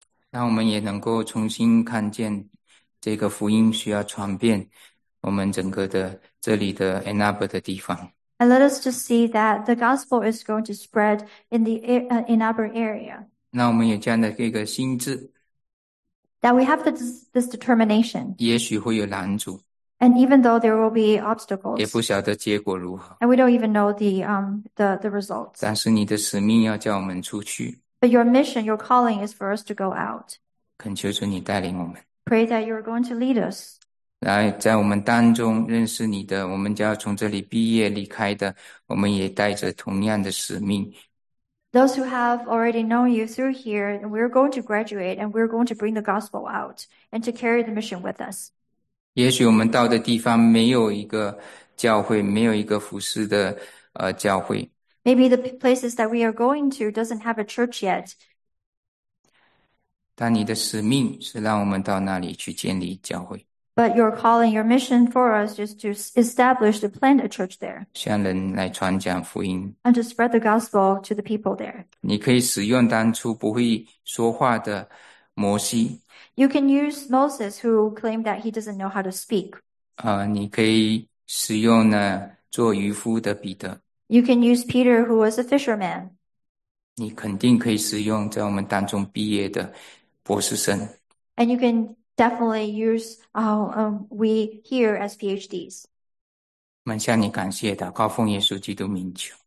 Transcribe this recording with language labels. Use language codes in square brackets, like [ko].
[zh] 让我们也能够重新看见这个福音需要传遍我们整个的这里的 Enab 的地方。 [en] And let us just see that the gospel is going to spread in the inner area. [zh] 那我们也这样的一个心智， [en] That we have this determination. [zh] 也许会有拦阻。 [en] And even though there will be [zh] 也不 [en] obstacles, [zh] 晓得结果如何， [en] and we don't even know the results. [zh] 但是你的使命要叫我们出去。 [en] But your mission, your calling is for us to go out. [zh] 恳求主你带领我们， [en] Pray that you are going to lead us. [zh] 来在我们当中认识你的，我们就要从这里毕业离开的，我们也带着同样的使命， [en] Those who have already known you through here, and we're going to graduate and we're going to bring the gospel out and to carry the mission with us. [zh] 也许我们到的地方没有一个教会，没有一个服侍的教会。 [en] Maybe the places that we are going to doesn't have a church yet. [zh] 但你的使命是让我们到那里去建立教会。 [en] But your calling, your mission for us is to establish, to plant a church there. [zh] 向人来传讲福音。 [en] And to spread the gospel to the people there. [zh] 你可以使用当初不会说话的摩西。 [en] You can use Moses who claimed that he doesn't know how to speak. [zh] 你可以使用呢做渔夫的彼得。 [en] You can use Peter who was a fisherman. [zh] 你肯定可以使用在我们当中毕业的博士生。 [en] And you can definitely use we here as PhDs. [zh] 我们向你感谢祷告奉耶稣基督名求。